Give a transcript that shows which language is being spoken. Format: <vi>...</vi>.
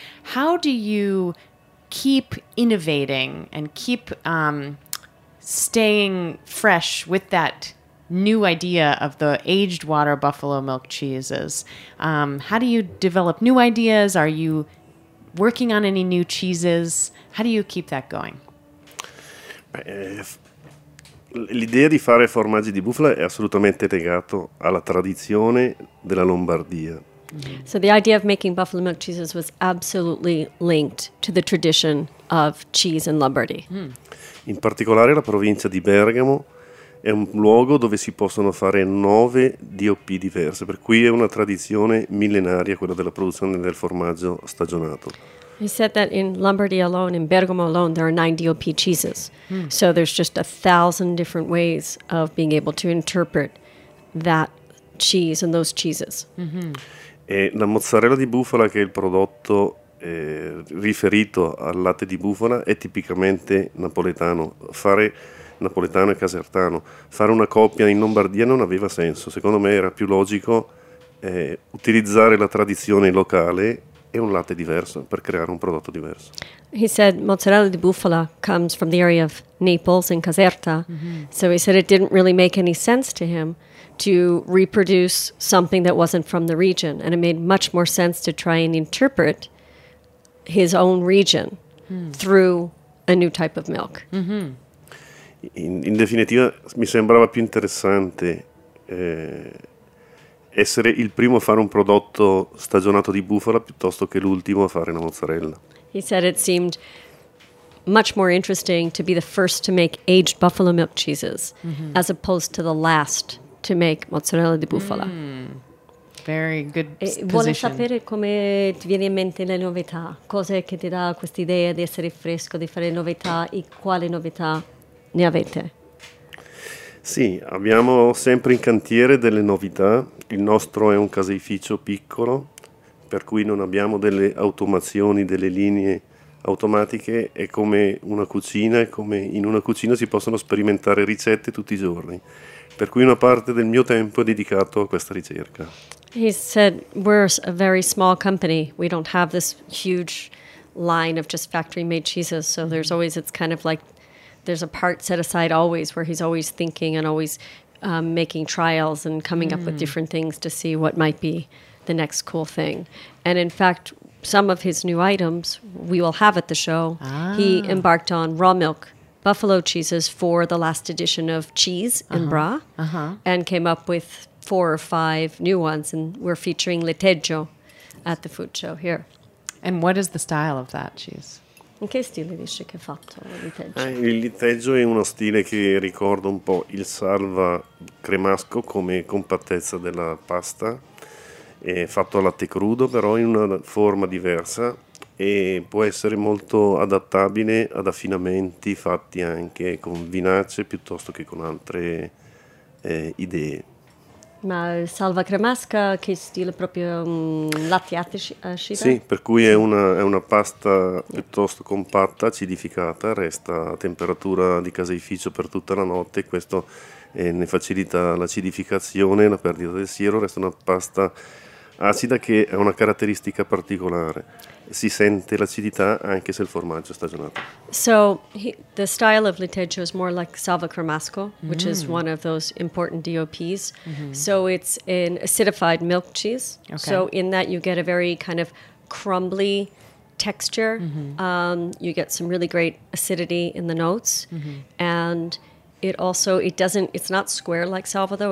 <en>How do you keep innovating and keep staying fresh with that new idea of the aged water buffalo milk cheeses? How do you develop new ideas? Are you working on any new cheeses? How do you keep that going?</en> <it>L'idea di fare formaggi di bufala è assolutamente legato alla tradizione della Lombardia.</it> <en>So the idea of making buffalo milk cheeses was absolutely linked to the tradition of cheese in Lombardy.</en> <it>In particolare la provincia di Bergamo è un luogo dove si possono fare 9 DOP diverse, per cui è una tradizione millenaria quella della produzione del formaggio stagionato.</it> <en>He said that in Lombardy alone, in Bergamo alone, there are 9 DOP cheeses. Mm. So there's just 1,000 different ways of being able to interpret that cheese and those cheeses.</en> <it>E la mozzarella di bufala, che è il prodotto riferito al latte di bufala, è tipicamente napoletano. Fare napoletano e casertano, fare una coppia in Lombardia non aveva senso. Secondo me era più logico utilizzare la tradizione locale e un latte diverso per creare un prodotto diverso.</it> <en>He said mozzarella di bufala comes from the area of Naples and Caserta. So he said it didn't really make any sense to him to reproduce something that wasn't from the region, and it made much more sense to try and interpret his own region through a new type of milk.</en> <it>In definitiva mi sembrava più interessante essere il primo a fare un prodotto stagionato di bufala piuttosto che l'ultimo a fare una mozzarella.</it> <en>He said it seemed much more interesting to be the first to make aged buffalo milk cheeses as opposed to the last to make mozzarella di bufala. Very good position.</en> <it>Vuole sapere come ti viene in mente le novità? Cos'è che ti dà questa idea di essere fresco, di fare novità, e quale novità ne avete? Sì, abbiamo sempre in cantiere delle novità. Il nostro è un caseificio piccolo, per cui non abbiamo delle automazioni, delle linee automatiche. È come una cucina, è come in una cucina si possono sperimentare ricette tutti i giorni. Per cui una parte del mio tempo è dedicato a questa ricerca.</it> <en>He said, we're a very small company. We don't have this huge line of just factory-made cheeses. So there's always, it's kind of like, there's a part set aside always where he's always thinking and always making trials and coming up with different things to see what might be the next cool thing. And in fact, some of his new items we will have at the show. He embarked on raw milk buffalo cheeses for the last edition of Cheese in Bra and came up with 4 or 5 new ones. And we're featuring Letteggio at the food show here. And what is the style of that cheese?</en> <it>In che stile dice che è fatto il Letteggio? Il Letteggio è uno stile che ricorda un po' il salva cremasco come compattezza della pasta. È fatto a latte crudo, però in una forma diversa, e può essere molto adattabile ad affinamenti fatti anche con vinace piuttosto che con altre idee. Ma salva cremasca, che stile, proprio latte acido? Sì, per cui è una pasta piuttosto compatta, acidificata, resta a temperatura di caseificio per tutta la notte, questo ne facilita l'acidificazione, la perdita del siero, resta una pasta acida che ha una caratteristica particolare. Si sente l'acidità anche se il formaggio è stagionato.</it> <en>So the style of Liteggio is more like Salva Cremasco, which is one of those important DOPs. Mm-hmm. So it's an acidified milk cheese. Okay. So in that you get a very kind of crumbly texture. Mm-hmm. You get some really great acidity in the notes, and it also it's not square like Salva though.</en>